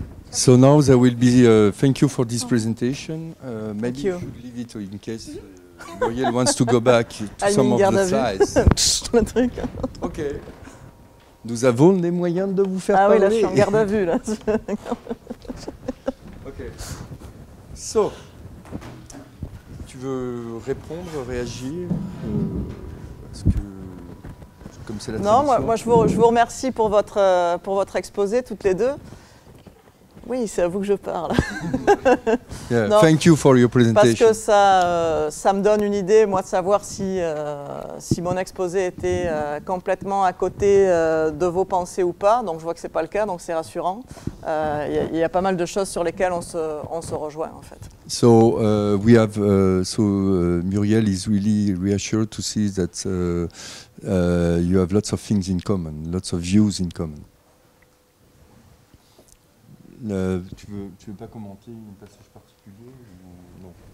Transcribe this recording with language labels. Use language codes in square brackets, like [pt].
[en] So now there will be thank you for this presentation. Maybe you should leave it in case Muriel wants to go back to some of the slides. OK. [fr] Nous avons les moyens de vous faire parler. Ah oui, là, je suis en garde à vue, là. [en] OK. So, [fr] tu veux répondre, réagir parce que Non, moi je vous remercie pour votre exposé toutes les deux. Oui, c'est à vous que je parle. [en] Yeah, non, thank you for your presentation. [fr] Parce que ça, ça me donne une idée, moi, de savoir si, si mon exposé était complètement à côté de vos pensées ou pas. Donc, je vois que ce n'est pas le cas, donc c'est rassurant. Il y a pas mal de choses sur lesquelles on se rejoint, en fait. [en] So, we have, Muriel is really reassured to see that you have lots of things in common, lots of views in common. [fr] Tu veux pas commenter un passage particulier ou non?